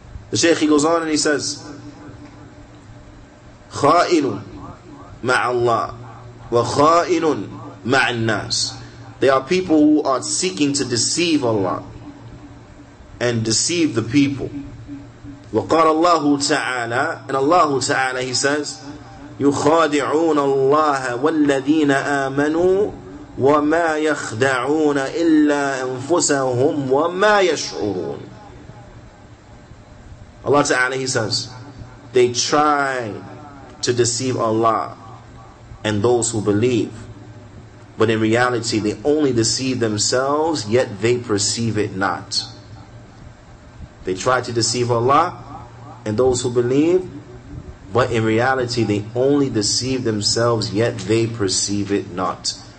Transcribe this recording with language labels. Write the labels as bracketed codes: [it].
[en] The Shaykh, he goes on and he says, [ar] خائن مع الله وخائن مع الناس. [en] They are people who are seeking to deceive Allah and deceive the people. [ar] وقال الله تعالى, [en] and Allah [ar] تعالى, [en] he says, [ar] يخادعون الله والذين آمنوا وما يخدعون إلا أنفسهم وما يشعرون. [en] Allah تعالى, he says, they try to deceive Allah and those who believe. But in reality, they only deceive themselves, yet they perceive it not. They try to deceive Allah and those who believe, but in reality, they only deceive themselves, yet they perceive it not.